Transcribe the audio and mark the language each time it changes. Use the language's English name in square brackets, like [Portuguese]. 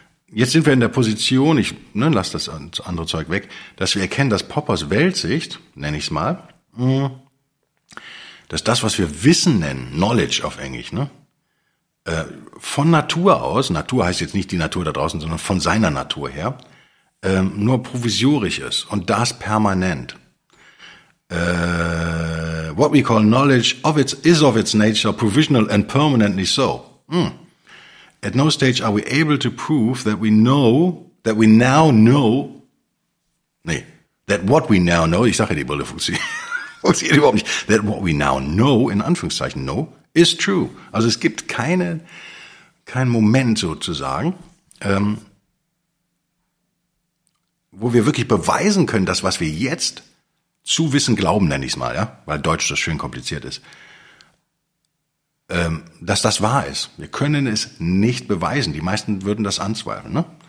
[German] Jetzt sind wir in der Position, lass das andere Zeug weg, dass wir erkennen, dass Poppers Weltsicht, nenne ich es mal, dass das, was wir Wissen nennen, Knowledge auf Englisch, ne, von Natur aus, Natur heißt jetzt nicht die Natur da draußen, sondern von seiner Natur her, nur provisorisch ist und das permanent. [English] What we call knowledge of its is of its nature provisional and permanently so. At no stage are we able to prove that what we now know, [German] in Anführungszeichen, [English] know, is true. [German] Also es gibt kein Moment sozusagen, wo wir wirklich beweisen können, dass was wir jetzt zu wissen glauben, nenne ich es mal, ja, weil Deutsch das schön kompliziert ist, dass das wahr ist. Wir können es nicht beweisen. Die meisten würden das anzweifeln. Ne?